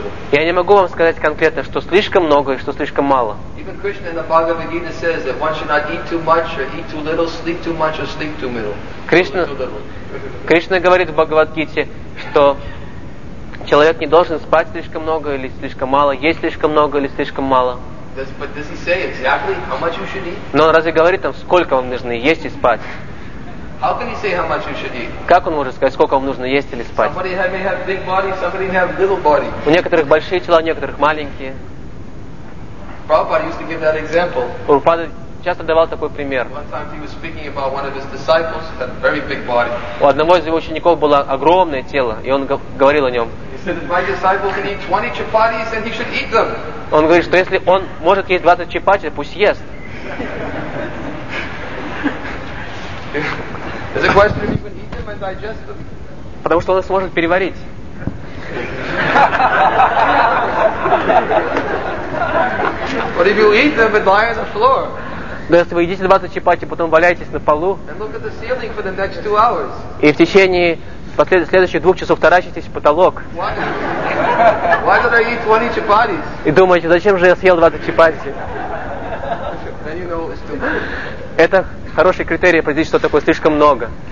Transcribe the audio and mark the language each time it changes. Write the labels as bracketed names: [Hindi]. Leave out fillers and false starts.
[Russian] Я не могу вам сказать конкретно, что слишком много и что слишком мало. Кришна говорит в Бхагавад-гите, что человек не должен спать слишком много или слишком мало, есть слишком много или слишком мало. [English] But does he say exactly how much you should eat? [Russian] Но он разве говорит там, сколько вам нужно есть и спать? [English] How can he say how much you should eat? [Russian] Как он может сказать, сколько вам нужно есть или спать? [English] Somebody may have big body, somebody may have little body. [Russian] У некоторых большие тела, у некоторых маленькие. [English] Prabhupada used to give that example. [Russian] Прабхупада часто давал такой пример. [English] One time he was speaking about one of his disciples who had a very big body. [Russian] У одного из его учеников было огромное тело, и он говорил о нем. [English] He said if my disciple can eat 20 chapatis, then he should eat them. [Russian] Он говорит, что если он может есть 20 чапати, пусть ест. [English] Is the question if you can eat them and digest them? [Russian] Потому что он их сможет переварить. [English] But if you eat them and lie on the floor. [Russian] Но если вы едите 20 чапати, потом валяетесь на полу, [English] and look at the ceiling for the next 2 hours. [Russian] И в течение следующих 2 часов таращитесь в потолок. [English] Why did I eat 20 chapatis? [Russian] И думаете, зачем же я съел 20 чапати? [English] Then you know it's too much. [Russian] Это хороший критерий определить, что такое слишком много.